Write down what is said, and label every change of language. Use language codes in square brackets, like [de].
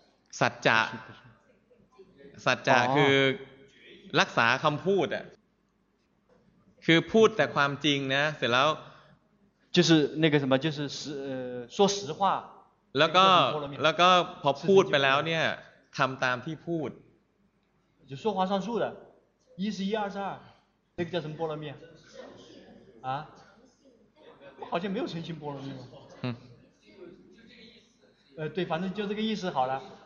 [th] สัจจะ สัจจะ คือรักษาคำพูดอ่ะ คือพูดแต่ความจริงนะ เสร็จแล้ว [zh] 就是那个什么，就是实说实话。 [th] แล้วก็พอพูดไปแล้วเนี่ย ทำตามที่พูด [zh] 就说话算数的，一是一，二是二，那个叫什么波罗蜜啊？啊？好像没有诚心波罗蜜吗？嗯。对，反正就这个意思好了。